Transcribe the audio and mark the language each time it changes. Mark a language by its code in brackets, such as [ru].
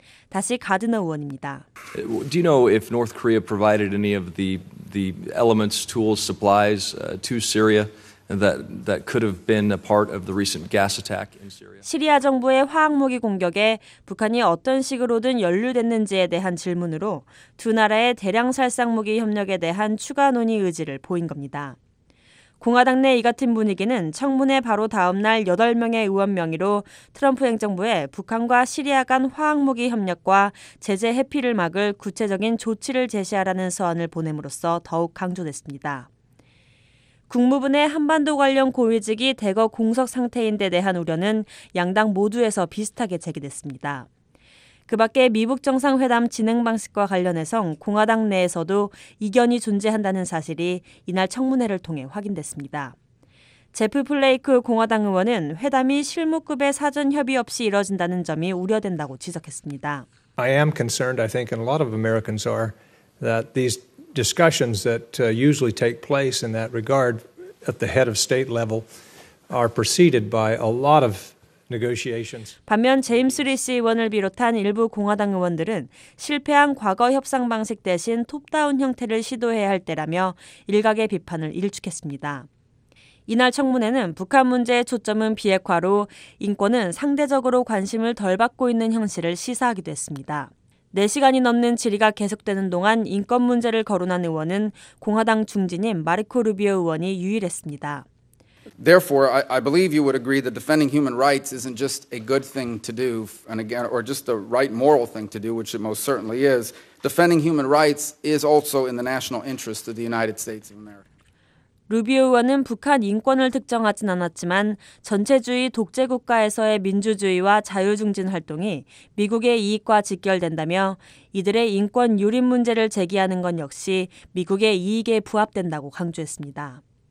[ko] 다시 가드너 의원입니다. [en] Do you know if North Korea provided any of the elements, tools, supplies to Syria that could have been a part of the recent gas attack in Syria? [ko] 시리아 정부의 화학무기 공격에 북한이 어떤 식으로든 연루됐는지에 대한 질문으로 두 나라의 대량 살상무기 협력에 대한 추가 논의 의지를 보인 겁니다. 공화당 내 이 같은 분위기는 청문회 바로 다음 날 8명의 의원 명의로 트럼프 행정부에 북한과 시리아 간 화학무기 협력과 제재 회피를 막을 구체적인 조치를 제시하라는 서한을 보냄으로써 더욱 강조됐습니다. 국무부 내 한반도 관련 고위직이 대거 공석 상태인 데 대한 우려는 양당 모두에서 비슷하게 제기됐습니다. 그 밖에 미북 정상회담 진행 방식과 관련해선 공화당 내에서도 이견이 존재한다는 사실이 이날 청문회를 통해 확인됐습니다. 제프 플레이크 공화당 의원은 회담이 실무급의 사전 협의 없이 이뤄진다는 점이 우려된다고 지적했습니다. [en] I am concerned, I think, and a lot of Americans are, that these discussions that usually take place in that regard at the head of state level are preceded by a lot of [ko] 반면 제임스 리시 의원을 비롯한 일부 공화당 의원들은 실패한 과거 협상 방식 대신 톱다운 형태를 시도해야 할 때라며 일각의 비판을 일축했습니다. 이날 청문회는 북한 문제의 초점은 비핵화로 인권은 상대적으로 관심을 덜 받고 있는 현실을 시사하기도 했습니다. 4시간이 넘는 질의가 계속되는 동안 인권 문제를 거론한 의원은 공화당 중진인 마르코 루비오 의원이 유일했습니다. [en] Therefore, I believe you would agree that defending human rights isn't just a good thing to do, and again, or just the right moral thing to do, which it most certainly is. Defending human rights is also in the national interest of the United States of America. [ko] 루비오 의원은 북한 인권을 특정하진 않았지만 전체주의 독재 국가에서의 민주주의와 자유 중진 활동이 미국의 이익과 직결된다며 이들의 인권 유린 문제를 제기하는 건 역시 미국의 이익에 부합된다고 강조했습니다.